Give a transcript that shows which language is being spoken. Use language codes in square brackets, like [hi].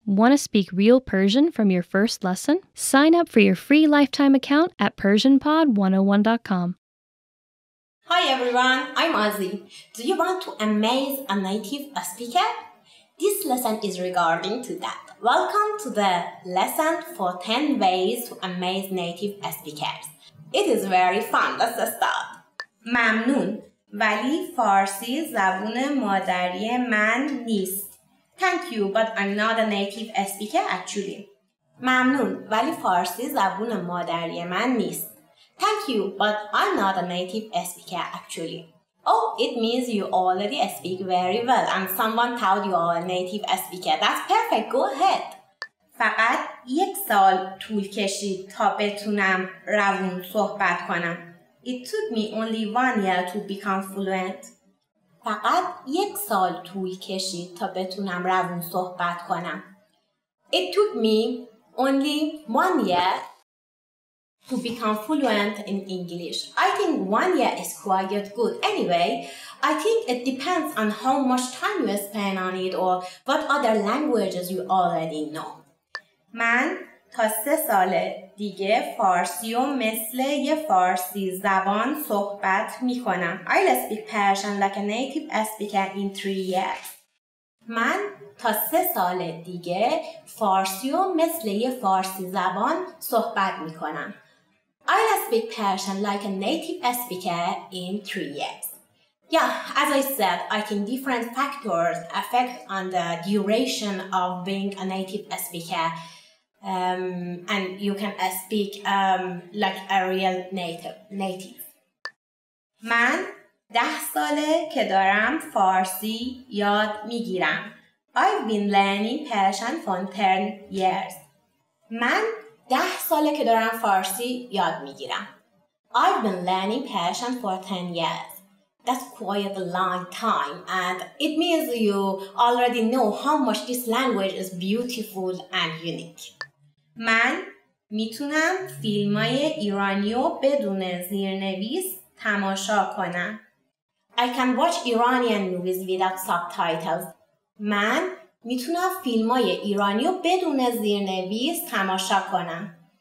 [en] Want to speak real Persian from your first lesson? Sign up for your free lifetime account at PersianPod101.com. Hi everyone, I'm Azzy. Do you want to amaze a native speaker? This lesson is regarding to that. Welcome to the lesson for 10 ways to amaze native speakers. It is very fun, let's start. [fa] ممنون. ولی فارسی زبون مادری من نیست. [en] Thank you, but I'm not a native speaker actually. [fa] ممنون ولی فارسی زبون مادری من نیست. [en] Thank you, but I'm not a native speaker actually. Oh, it means you already speak very well and someone told you are a native speaker. That's perfect, go ahead. [fa] فقط یک سال طول کشید تا بتونم روان صحبت کنم. [en] It took me only 1 year to become fluent. [fa] فقط یک سال طول کشید تا بتونم روان صحبت کنم. [en] It took me only 1 year to become fluent in English. I think 1 year is quite good. Anyway, I think it depends on how much time you spend on it or what other languages you already know. [fa] من تا 3 سال دیگه فارسی و مثل یه فارسی زبان صحبت می کنم. [en] I'll speak Persian like a native speaker in 3 years. [fa] من تا 3 سال دیگه فارسی و مثل یه فارسی زبان صحبت می کنم. [en] I'll speak Persian like a native speaker in 3 years. Yeah, as I said, I think different factors affect on the duration of being a native speaker. And you can speak like a real native. [fa] من 10 ساله که دارم فارسی یاد میگیرم. [en] I've been learning Persian for 10 years. [fa] من 10 ساله که دارم فارسی یاد میگیرم. [en] I've been learning Persian for 10 years. That's quite a long time, and it means you already know how much this language is beautiful and unique. [fa] من میتونم فیلمای ایرانیو بدون زیرنویس تماشا کنم. [en] I can watch Iranian movies without subtitles. [fa] من میتونم فیلمای ایرانیو بدون زیرنویس تماشا کنم.